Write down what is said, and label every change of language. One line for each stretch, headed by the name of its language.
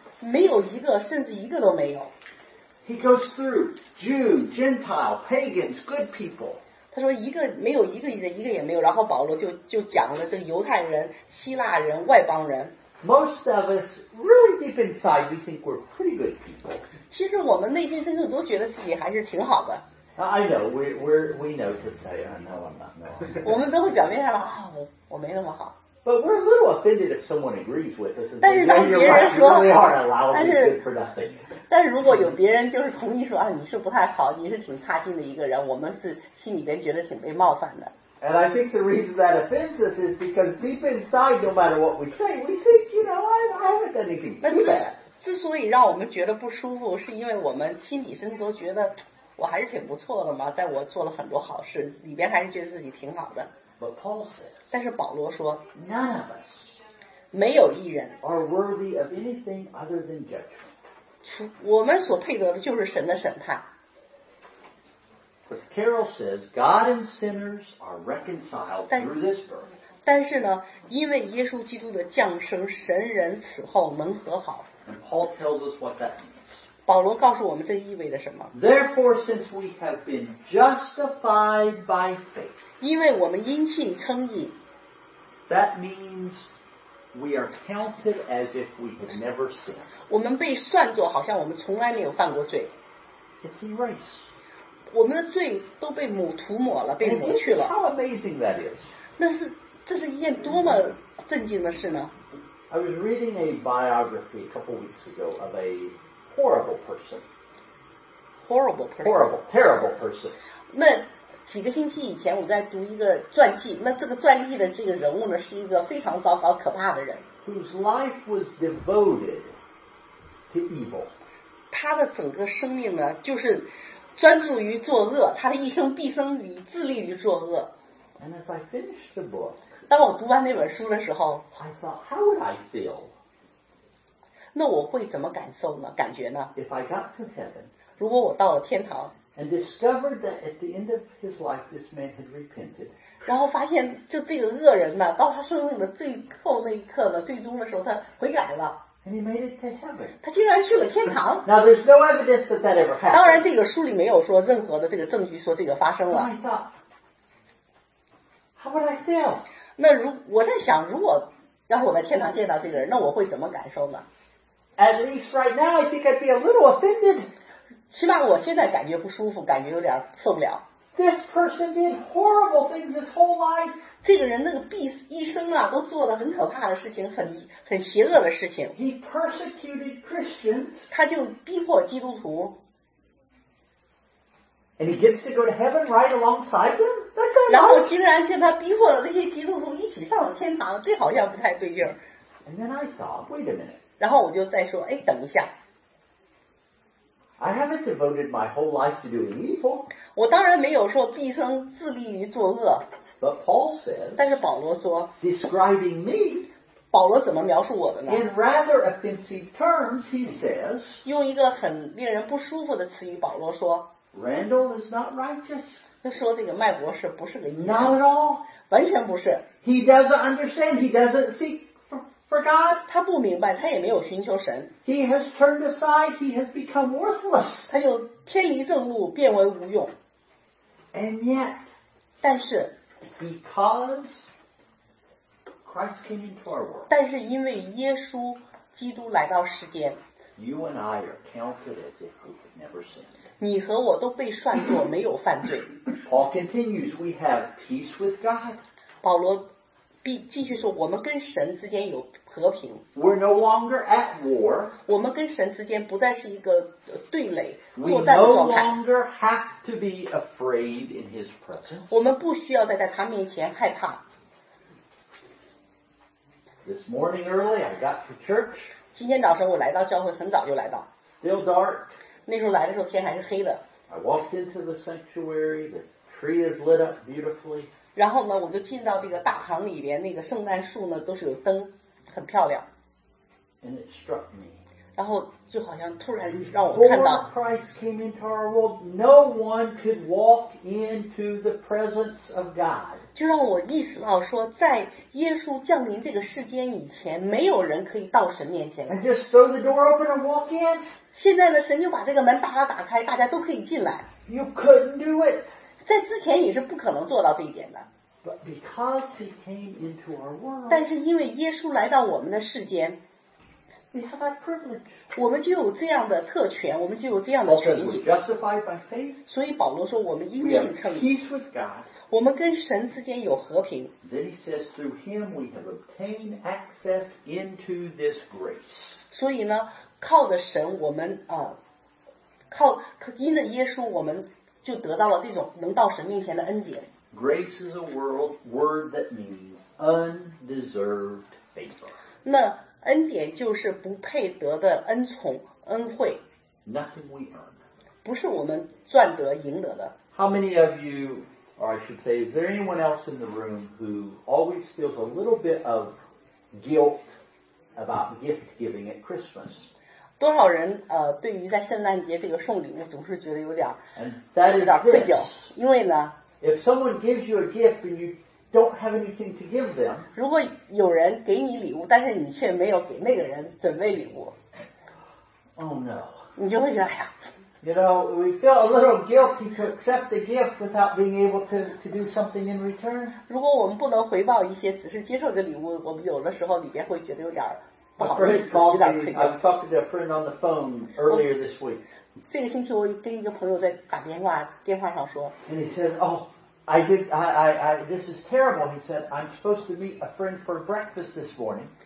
Chinese: 没有一个，甚至一个都没有。
English: He goes through Jew, Gentile, pagans, good people.
Chinese: 他说一个没有一个人，一个也没有。然后保罗就讲了这个犹太人、希腊人、外邦人。
English: Most of us, really deep inside, we think we're pretty good people.
Chinese: 其实我们内心深处都觉得自己还是挺好的。
English: I know, we know to say, I know I'm not.
Chinese: 我们都会表面上说啊，我没那么好。
English: But we're a little offended if someone agrees with us.
Chinese: 但是当别人说，但是但如果有别人就是同意说啊，你是不太好，你是挺差劲的一个人，我们是心里边觉得挺被冒犯的。
English: And I think the reason that offends us is because deep inside, no matter what we say, we think, you know, I haven't done anything too bad.
Chinese: 之所以让我们觉得不舒服，是因为我们心底深处都觉得我还是挺不错的嘛，在我做了很多好事，里边还是觉得自己挺好的。
English: But Paul says,
Chinese: 但是保罗说
English: none of us,
Chinese: 没有一人
English: are worthy of anything other than judgment.
Chinese: 我们所配得的就是神的审判。
English: But Carol says God and sinners are reconciled through this birth.
Chinese: 但是呢，因为耶稣基督的降生，神人此后能和好。
English: And Paul tells us what that means.
Chinese: 保罗告诉我们这意味着什么。
English: Therefore, since we have been justified by faith,
Chinese: 因为我们因信称义。
English: That means we are counted as if we had never sinned.
Chinese: 我们被算作好像我们从来没有犯过罪。
English: It's erased.
Chinese: 我们的罪都被涂抹了，被抹去了。
English: How amazing that is!
Chinese: 那是这是一件多么震惊的事呢
English: ？I was reading a biography a couple weeks ago of a horrible person. Horrible person. Horrible, terrible person.
Chinese: 那几个星期以前我在读一个传记，那这个传记的这个人物呢，是一个非常糟糕、可怕的人。
English: Whose life was devoted to evil.
Chinese: 他的整个生命呢，就是。专注于作恶，他的一生毕生以致力于作恶。
English: And as I finished the book,
Chinese: 当我读完那本书的时候
English: ，I thought, how would I feel?
Chinese: 那我会怎么感受呢？感觉呢
English: ？If I got to heaven,
Chinese: 如果我到了天堂
English: ，and discovered that at the end of his life, this man had repented,
Chinese: 然后发现就这个恶人呢，到他生命的最后那一刻呢，最终的时候他悔改了。
English: And he made it to heaven.
Chinese: 他竟然去了天堂。
English: Now there's no evidence that that ever happened.
Chinese: 当然，这个书里没有说任何的这个证据说这个发生了。
English: I thought, how would I feel?
Chinese: 那如我在想，如果要是我在天堂见到这个人，那我会怎么感受呢
English: ？At least right now, I think I'd be a little offended.
Chinese: 起码我现在感觉不舒服，感觉有点受不了。
English: This person did horrible things his whole life.
Chinese: 这个人那个一生啊，都做了很可怕的事情，很邪恶的事情。
English: He persecuted Christians.
Chinese: 他就逼迫基督徒。
English: And he gets to go to heaven right alongside them. That's not.
Chinese: 然后竟然跟他逼迫的这些基督徒一起上了天堂，这好像不太对劲。
English: And then I thought, wait a minute.
Chinese: 然后我就再说，哎，等一下。
English: I haven't devoted my whole life to doing evil.
Chinese: 我当然没有说毕生致力于作恶。
English: But Paul says,
Chinese: 但是保罗说
English: describing me,
Chinese: 保罗怎么描述我的呢
English: in rather offensive terms, he says,
Chinese: 用一个很令人不舒服的词语，保罗说
English: Randall is not righteous.
Chinese: 他说这个麦博士不是个义
English: 人 Not at all.
Chinese: 完全不是。
English: He doesn't understand. He doesn't seek for God.
Chinese: 他不明白，他也没有寻求神。
English: He has turned aside. He has become worthless.
Chinese: 他就偏离正路，变为无用。
English: And yet,
Chinese: 但是
English: because Christ came into our world.
Chinese: 但是因为耶稣基督来到世间。
English: You and I are counted as if we've never sinned.
Chinese: 你和我都被算作没有犯罪。
English: Paul continues, we have peace with God.
Chinese: 保罗继续说，我们跟神之间有和平。
English: We're no longer at war.
Chinese: 我们跟神之间不再是一个对垒，作战的状态。
English: We no longer have to be afraid in his presence.
Chinese: 我们不需要再在他面前害怕。
English: This morning early, I got to church.
Chinese: 今天早晨我来到教会，很早就来到。
English: Still dark.
Chinese: 那时候来的时候天还是黑的。
English: I walked into the sanctuary. The tree is lit up beautifully.
Chinese: 然后呢，我就进到这个大堂里边，那个圣诞树呢都是有灯，很漂亮。
English: And it struck me.
Chinese: 然后就好像突然让我看到。
English: Before Christ came into our world, no one could walk into the presence of God.
Chinese: 就让我意识到说，在耶稣降临这个世间以前，没有人可以到神面前。
English: And just throw the door open and walk in.
Chinese: 现在呢，神就把这个门大大打开，大家都可以进来。
English: You couldn't do it.
Chinese: 在之前你是不可能做到这一点的。
English: But because he came into our world.
Chinese: 但是因为耶稣来到我们的世间。
English: We have that privilege.
Chinese: 我们就有这样的特权，我们就有这样的权益。
English: Paul says we're justified by faith.
Chinese: 所以保罗说，我们因信称义。
English: We have peace with God.
Chinese: 我们跟神之间有和平。
English: Then he says through him we have obtained access into this grace.
Chinese: 所以呢，靠着神，我们靠因着耶稣，我们就得到了这种能到神面前的恩典。
English: Grace is a word that means undeserved favor.
Chinese: 那恩典就是不配得的恩宠恩惠
English: Nothing we earn.
Chinese: 不是我们赚得赢得的
English: How many of you or I should say is there anyone else in the room who always feels a little bit of guilt about gift giving at Christmas
Chinese: 多少人对于在圣诞节这个送礼物总是觉得有点
English: And that is
Chinese: 有点愧疚因为呢
English: If someone gives you a gift and youDon't have anything to give them.
Chinese: 如果有人给你礼物，但是你却没有给那个人准备礼物。
English: Oh no.
Chinese: 你就会觉得哎呀。
English: You know, we feel a little guilty to accept the gift without being able to do something in return.
Chinese: 如果我们不能回报一些，只是接受个礼物，我们有的时候里边会觉得有点不好意思，有点愧疚。
English: I was talking to a friend on the phone earlier this week.
Chinese: 这个星期我跟一个朋友在打电话上说。
English: And he said, oh. I this is terrible. He said, I'm supposed to meet a friend for breakfast this morning.